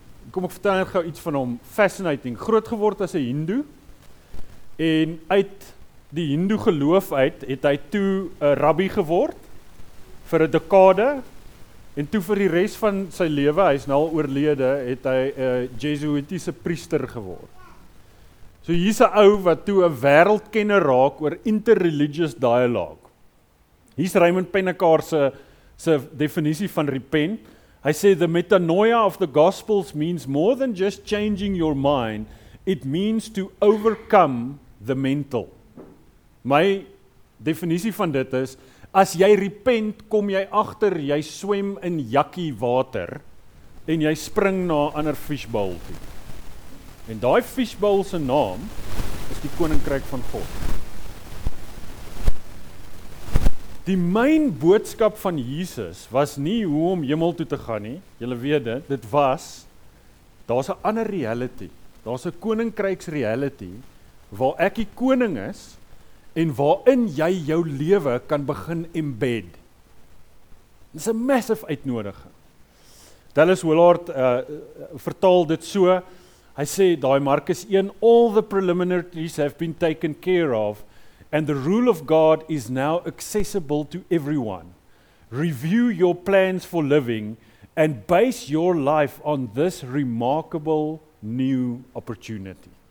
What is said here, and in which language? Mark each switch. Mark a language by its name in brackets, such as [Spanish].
[Afrikaans] Kom ek vertel gou iets van hom, fascinating, groot geword as 'n Hindu, en uit die Hindu geloof uit, het hy toe 'n rabbi geword, vir 'n dekade, en toe vir die rest van sy lewe, hy is nou al oorlede, het hy 'n Jesuitiese priester geword. So hier is 'n ou wat toe 'n wêreldkenner raak oor [English] interreligious dialogue. [Afrikaans] Hier is Raymond Panikkar se definisie van repent. Hy sê, [English] the metanoia of the gospels means more than just changing your mind, it means to overcome the mental. [Afrikaans] My definisie van dit is, as jy repent, kom jy achter, jy swem in jakkie water, en jy spring na ander fishbowl toe. En die fishbowl se naam is die Koninkryk van God. Die myn boodskap van Jesus was nie hoe om hemel toe te gaan nie, julle weet dit, dit was, daar is 'n ander reality, daar is 'n koninkryks reality, waar ek die koning is, en waarin jy jou lewe kan begin embed. Dit is 'n massive uitnodiging. Dallas Willard vertaal dit so, hy sê, daai Markus 1, [English] all the preliminaries have been taken care of, and the rule of God is now accessible to everyone. Review your plans for living and base your life on this remarkable new opportunity.